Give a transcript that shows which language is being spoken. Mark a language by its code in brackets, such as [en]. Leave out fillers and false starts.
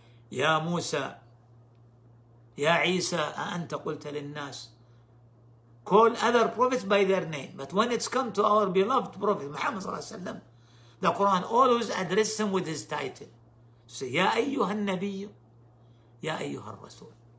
[ar] Ya Musa, Ya Isa, أأنت قلت للناس. [en] Call other prophets by their name. But when it's come to our beloved Prophet Muhammad sallallahu alayhi wa sallam, the Quran always addresses him with his title. Say, [ar] Ya أيها النبي, Ya أيها الرسول.